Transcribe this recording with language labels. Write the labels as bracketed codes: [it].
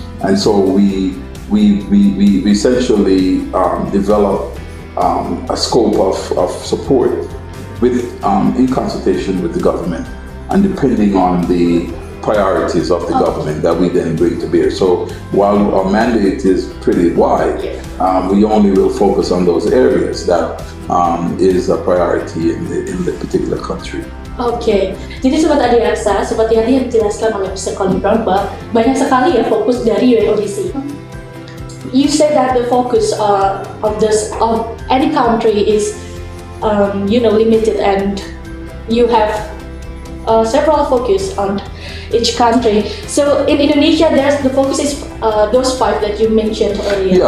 [en] And so we essentially develop a scope of support with in consultation with the government, and depending on the priorities of the government that we then bring to bear. So while our mandate is pretty wide, we only will focus on those areas that is a priority in the particular country. [id] Okay, jadi Sobat Adiaksa, Sobat Yadi yang dijelaskan oleh Mr. Colie Brown bahwa banyak sekali ya fokus dari UNODC. [en] You said that the focus of any country is you know, limited, and you have several focus on each country. So in Indonesia, there's the focus is those five that you mentioned earlier.